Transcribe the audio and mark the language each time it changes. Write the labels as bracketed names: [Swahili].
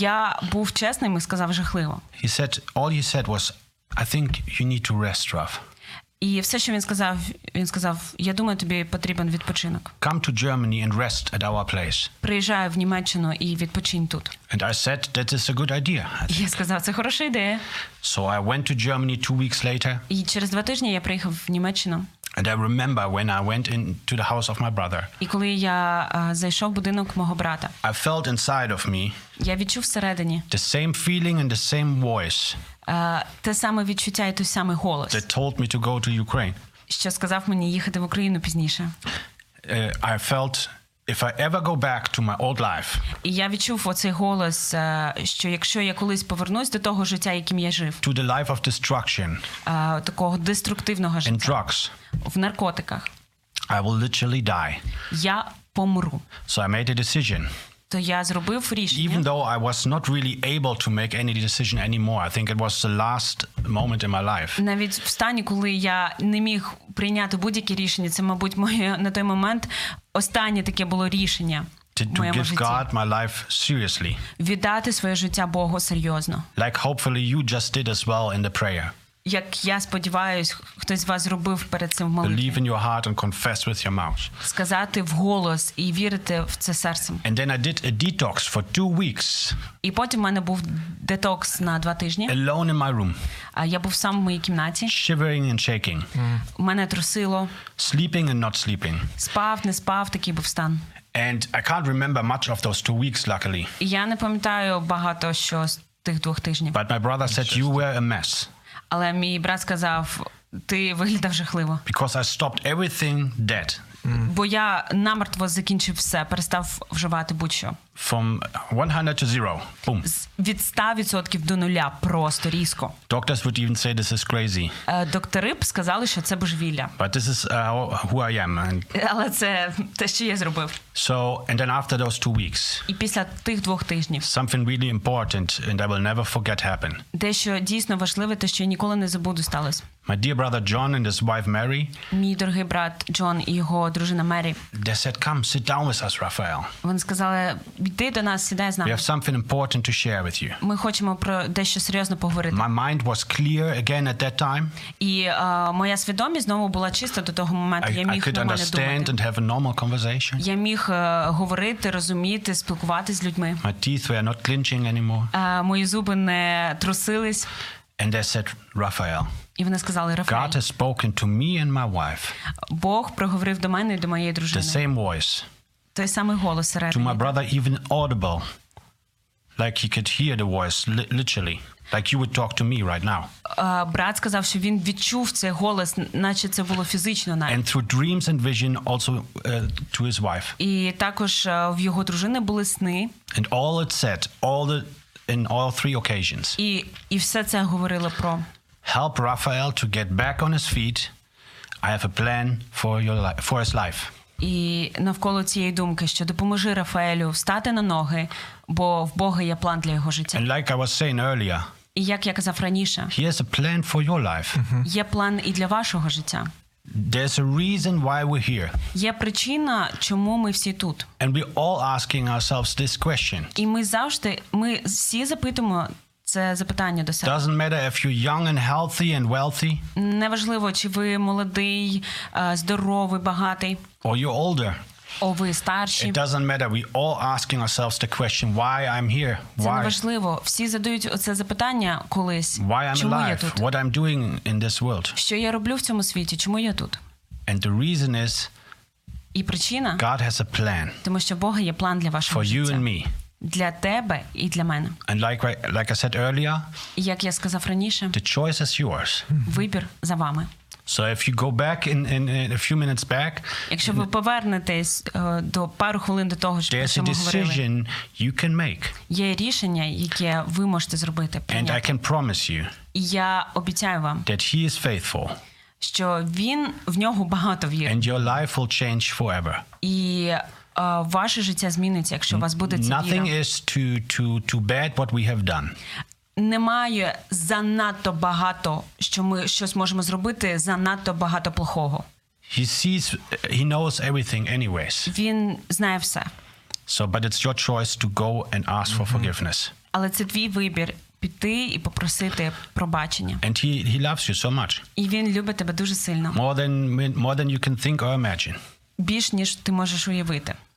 [Ukrainian] Я був чесним і сказав жахливо. [English] He said, all he said was, I think you need to rest, Raf. [Ukrainian] І все, що він сказав, я думаю, тобі потрібен відпочинок. [English] Come to Germany and rest at our place. [Ukrainian] Приїжджай в Німеччину і відпочинь тут. [English] And I said, that is a good idea. [Ukrainian] Я сказав, це хороша ідея. [English] So I went to Germany 2 weeks later. [Ukrainian] І через 2 тижні я приїхав в Німеччину. [English] And I remember when I went into the house of my brother. [Ukrainian] І коли я зайшов в будинок мого брата. [English] I felt inside of me. [Ukrainian] Я відчув всередині. [English] The same feeling and the same voice. [Ukrainian] Те саме відчуття і той самий голос. [English] That told me to go to Ukraine. [Ukrainian] Що сказав мені їхати в Україну пізніше. [English] I felt if I ever go back to my old life. [Ukrainian] І я відчув оцей голос, що якщо я колись повернусь до того життя, яким я жив. [English] To the life of destruction. [Ukrainian] Такого деструктивного життя. [English] And drugs. [Ukrainian] В наркотиках. [English] I will literally die. [Ukrainian] Я помру. [English] So I made a decision. [Ukrainian] То я зробив рішення. [English] Even though I was not really able to make any decision anymore, I think it was the last moment in my life. [Ukrainian] Навіть в стані, коли я не міг прийняти будь-яке рішення, це, мабуть, моє на той момент останнє таке було рішення. [English] To give God my life seriously. [Ukrainian] Віддати своє життя Богу серйозно. [English] Like hopefully you just did as well in the prayer. [Ukrainian] Як я сподіваюсь, хтось з вас зробив перед цим в молитві. [English] Believe in your heart and confess with your mouth. [Ukrainian] Сказати в голос і вірити в це серцем. [English] And then I did a detox for 2 weeks. [Ukrainian] І потім в мене був детокс на 2 тижні. [English] Alone in my room. [Ukrainian] А я був сам в моїй кімнаті. [English] Shivering and shaking. [Ukrainian] У мене трусило. [English] Sleeping and not sleeping. [Ukrainian] Спав, не спав, такий був стан. [English] And I can't remember much of those 2 weeks, luckily. [Ukrainian] І я не пам'ятаю багато що з тих 2 тижнів. [English] But my brother said you were a mess. [Ukrainian] Але мій брат сказав, ти виглядав жахливо. [English] Because I stopped everything dead. [Ukrainian] Бо я намертво закінчив все, перестав вживати будь-що. [English] From 100 to 0. Boom. [Ukrainian] Від 100% до нуля, просто різко. [English] Doctors would even say this is crazy. [Ukrainian] Доктори б сказали, що це божевілля. [English] But this is who I am. [Ukrainian] Але це те, що я зробив. [English] So, and then after those 2 weeks. [Ukrainian] І після тих 2 тижнів. [English] Something really important and I will never forget happened. [Ukrainian] Дещо дійсно важливе, те, що я ніколи не забуду, сталося. [English] My dear brother John and his wife Mary. [Ukrainian] Мій дорогий брат Джон і його дружина Мері. [English] They said, come, sit down with us, Raphael. [Ukrainian] Вони сказали, йди до нас, сідай з нами. [English] We have something important to share with you. [Ukrainian] Ми хочемо про дещо серйозно поговорити. [English] My mind was clear again at that time. [Ukrainian] І моя свідомість знову була чиста до того моменту. Я міг нормально думати. [English] I could understand and have a normal conversation. [Ukrainian] Я міг говорити, розуміти, спілкуватися з людьми. [English] My teeth were not clenching anymore. [Ukrainian] Мої зуби не трусились. [English] And they said, Raphael. [Ukrainian] І вони сказали, Рафаель. [English] God has spoken to me and my wife. [Ukrainian] Бог проговорив до мене і до моєї дружини. [English] The same voice. [Ukrainian] Той самий голос середини. [English] To my brother even audible. Like he could hear the voice, literally. Like you would talk to me right now. [Ukrainian] Брат сказав, що він відчув цей голос, наче це було фізично навіть. [English] And through dreams and vision also to his wife. [Ukrainian] І також в його дружини були сни. [English] And all it said, in all 3 occasions. [Ukrainian] І все це говорило про... [English] Help Raphael to get back on his feet. I have a plan for his life. [Ukrainian] І навколо цієї думки, що допоможи Рафаелю встати на ноги, бо в Бога є план для його життя. [English] And like I was saying earlier. [Ukrainian] І як я казав раніше. [English] He has a plan for your life. [Ukrainian] Є план і для вашого життя. [English] There's a reason why we're here. [Ukrainian] Є причина, чому ми всі тут. [English] And we're all asking ourselves this question. [Ukrainian] І ми всі запитуємо це запитання до себе. [English] Doesn't matter if you're young and healthy and wealthy. [Ukrainian] Неважливо, чи ви молодий, здоровий, багатий. [English] Or you're older. [Ukrainian] О, ви старші. [English] It doesn't matter. We all asking ourselves the question why I'm here. Why? [Ukrainian] Це важливо. Всі задають оце запитання колись. [English] Why I'm [Ukrainian] чому [English] alive? [Ukrainian] Я тут? [English] What I'm doing in this world? [Ukrainian] Що я роблю в цьому світі? Чому я тут? [English] And the reason is [Ukrainian] і причина? [English] God has a plan. [Ukrainian] Тому що Бог має план для вашого життя. [English] For you and me. [Ukrainian] Для тебе і для мене. [English] And like I said earlier. [Ukrainian] Як я сказав раніше. [English] The choice is yours. [Ukrainian] Вибір за вами. [English] So if you go back in a few minutes back, [Ukrainian] якщо ви повернетесь до пару хвилин до того, що ми говорили, [English] there's a decision you can make. [Ukrainian] Є рішення, яке ви можете зробити, прийняти. [English] And I can promise you. [Ukrainian] Я обіцяю вам. [English] That he is faithful. [Ukrainian] Що він в нього багато віри. [English] And your life will change forever. [Ukrainian] І ваше життя зміниться, якщо у вас буде ця віра. [English] Nothing is too bad what we have done. [Ukrainian] Немає занадто багато, що ми щось можемо зробити, занадто багато плохого. [English] He sees, he knows everything anyways. [Ukrainian] Він знає все. [English] So, but it's your choice to go and ask for forgiveness. [Ukrainian] Але це твій вибір піти і попросити пробачення. [English] And he loves you so much. [Ukrainian] І він любить тебе дуже сильно. [English] More than you can think or imagine. [Ukrainian] Більш ніж ти можеш уявити.